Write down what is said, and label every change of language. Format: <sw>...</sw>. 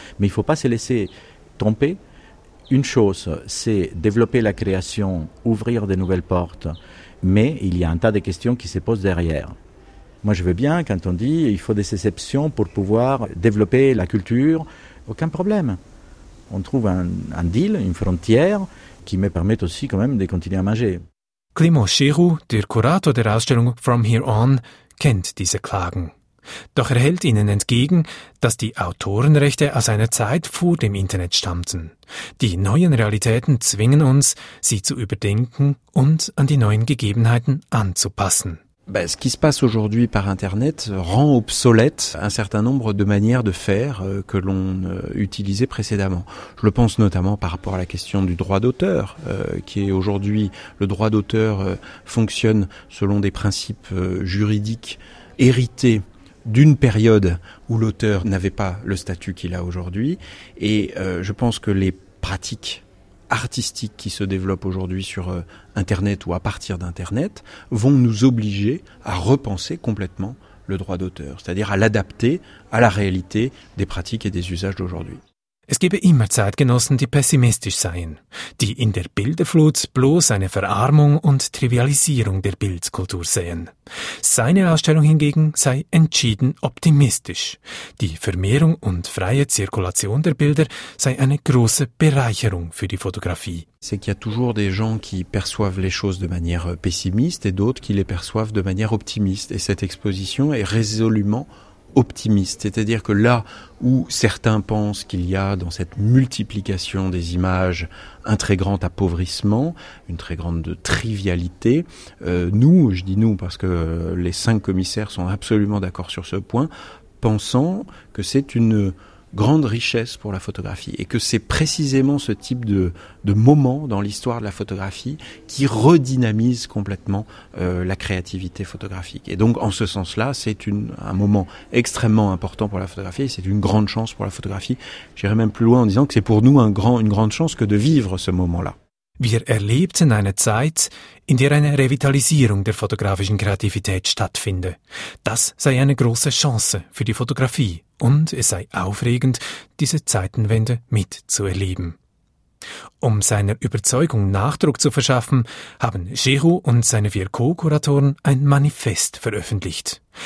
<fr>Mais il ne faut pas se laisser tromper. Une chose, c'est développer la création, ouvrir de nouvelles portes. Mais il y a un tas de questions qui se posent derrière. Moi, je veux bien, quand on dit qu'il faut des exceptions pour pouvoir développer la culture, aucun problème. On trouve un deal, une frontière, qui me permet aussi quand même de continuer à manger.</fr> <de>Klimo Giroux, der Kurator der Ausstellung From Here On, kennt diese Klagen. Doch er hält ihnen entgegen, dass die Autorenrechte aus einer Zeit vor dem Internet stammten. Die neuen Realitäten zwingen uns, sie zu überdenken und an die neuen Gegebenheiten anzupassen.</de> <fr>Ben, ce qui se passe aujourd'hui par Internet rend obsolète un certain nombre de manières de faire que l'on utilisait précédemment. Je le pense notamment par rapport à la question du droit d'auteur, qui est aujourd'hui, le droit d'auteur fonctionne selon des principes juridiques hérités d'une période où l'auteur n'avait pas le statut qu'il a aujourd'hui. Et je pense que les pratiques artistiques qui se développent aujourd'hui sur Internet ou à partir d'Internet vont nous obliger à repenser complètement le droit d'auteur, c'est-à-dire à l'adapter à la réalité des pratiques et des usages d'aujourd'hui.</fr> <de>Es gebe immer Zeitgenossen, die pessimistisch seien, die in der Bilderflut bloß eine Verarmung und Trivialisierung der Bildkultur sehen. Seine Ausstellung hingegen sei entschieden optimistisch. Die Vermehrung und freie Zirkulation der Bilder sei eine große Bereicherung für die Fotografie.</de> <fr>C'est qu'il y a toujours des gens qui perçoivent les choses de manière pessimiste et d'autres qui les perçoivent de manière optimiste. Et cette exposition est résolument optimiste, c'est-à-dire que là où certains pensent qu'il y a dans cette multiplication des images un très grand appauvrissement, une très grande trivialité, nous, je dis nous parce que les cinq commissaires sont absolument d'accord sur ce point, pensant que c'est une grande richesse pour la photographie et que c'est précisément ce type de moment dans l'histoire de la photographie qui redynamise complètement la créativité photographique. Et donc, en ce sens-là, c'est un moment extrêmement important pour la photographie et c'est une grande chance pour la photographie. J'irai même plus loin en disant que c'est pour nous une grande chance que de vivre ce moment-là.</fr> <de>Wir erlebten eine Zeit, in der eine Revitalisierung der fotografischen Kreativität stattfinde. Das sei eine große Chance für die Fotografie und es sei aufregend, diese Zeitenwende mitzuerleben. Um seiner Überzeugung Nachdruck zu verschaffen, haben Giroux und seine vier Co-Kuratoren ein Manifest veröffentlicht.</de>